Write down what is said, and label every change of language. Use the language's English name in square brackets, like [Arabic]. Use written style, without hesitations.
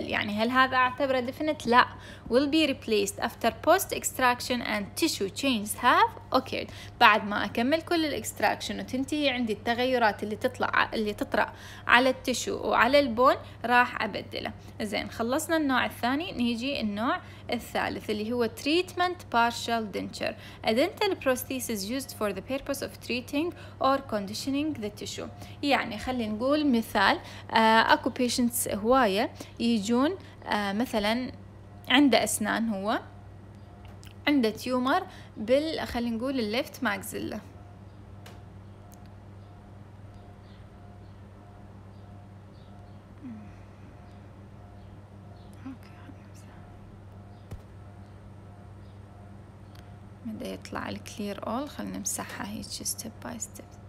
[Arabic] يعني هل هذا اعتبره ديفينيت؟ لا، [English] will be replaced after post extraction and tissue changes have occurred، [Arabic] بعد ما اكمل كل الاكستراكشن وتنتهي عندي التغيرات اللي تطلع اللي تطرا على التشو وعلى البون راح ابدله. زين، خلصنا النوع الثاني، نيجي النوع الثالث اللي هو treatment partial denture. [English] A dental prosthesis used for the purpose of treating or conditioning the tissue. [Arabic] يعني خلي نقول مثال، اكو patients هواية يجون مثلا عنده أسنان، هو عنده تيومر بال خلي نقول الليفت ماكزيلا، بدا يطلع الكلير اول، خلينا نمسحها هيك [English] Step by step.